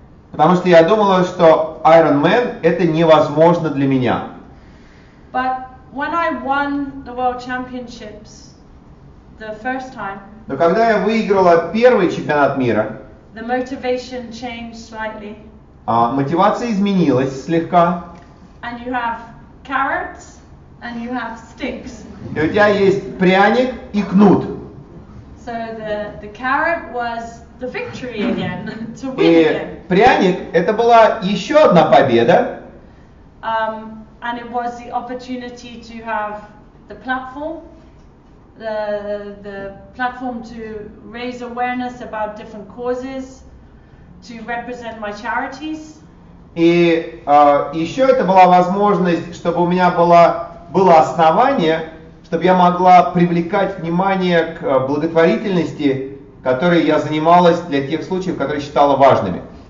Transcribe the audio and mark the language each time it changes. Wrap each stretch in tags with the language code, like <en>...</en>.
<ru>Потому что я думала, что Iron Man это невозможно для меня.</ru> <en>But when I won the World Championships the first time,</en> <ru>но когда я выиграла первый чемпионат мира,</ru> <en>the motivation changed slightly.</en> <ru>Мотивация изменилась слегка.</ru> <en>And you have carrots. And you have sticks.</en> <ru>И у тебя есть пряник и кнут.</ru> <en>So the carrot was the victory again, to win.</en> <ru>И пряник это была еще одна победа.</ru> <en>And it was the opportunity to have the platform to raise awareness about different causes, to represent my charities.</en> <ru>И еще это была возможность, чтобы у меня было основание, чтобы я могла привлекать внимание к благотворительности, которой я занималась для тех случаев, которые считала важными.</ru>